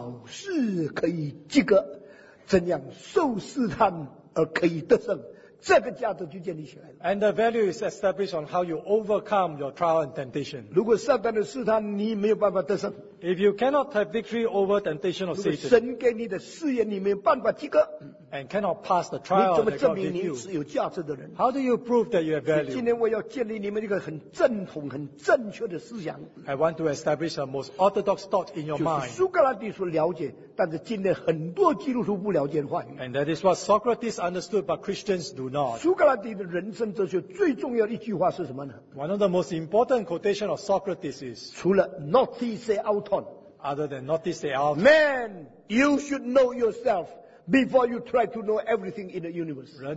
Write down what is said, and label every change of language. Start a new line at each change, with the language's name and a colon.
Chinese: 这个人的价值就在乎他怎样考试可以及格, 怎样受试探, 而可以得胜，这个价值就建立起来了。
English: And the value is established on how you overcome your trial and temptation.
Chinese: 如果撒旦的试探你没有办法得胜,
English: if you cannot have victory over temptation of Satan,
Chinese: 如果神给你的试验你没有办法及格,
English: and cannot pass the trial that God gave you,
Chinese: 你怎么证明你是有价值的人?
English: How do you prove that you have value?
Chinese: 今天我要建立你们一个很正统、很正确的思想。
English: I want to establish a most orthodox thought in your mind.
Chinese: 就是苏格拉底所了解, 但是今天很多基督徒不了解的话语。
English: And that is what Socrates understood, but Christians do not.
Chinese: 苏格拉底的人生哲学最重要的一句话是什么呢?
English: One of the most important quotations of Socrates is,
Chinese: 除了 Noti se auton,
English: other than Noti se auton, man, you should know yourself before you try to know everything in the universe.